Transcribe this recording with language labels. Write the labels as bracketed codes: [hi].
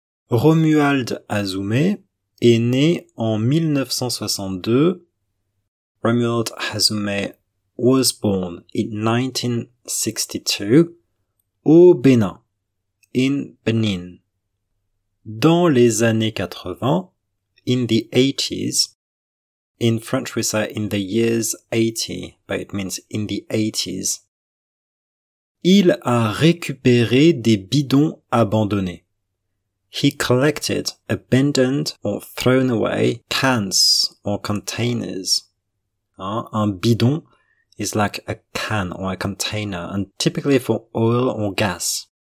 [fr] Romuald Azoumé, est né en 1962, [en] Romuald Azoumé was born in 1962, [fr] au Bénin, [en] in Benin. [fr] Dans les années 80, [en] in the 80s, In French, we say in the years 80, but it means in the 80s. [fr] Il a récupéré des bidons abandonnés. [en] He collected abandoned or thrown away cans or containers. [fr] Un bidon [en] is like a can or a container, and typically for oil or gas.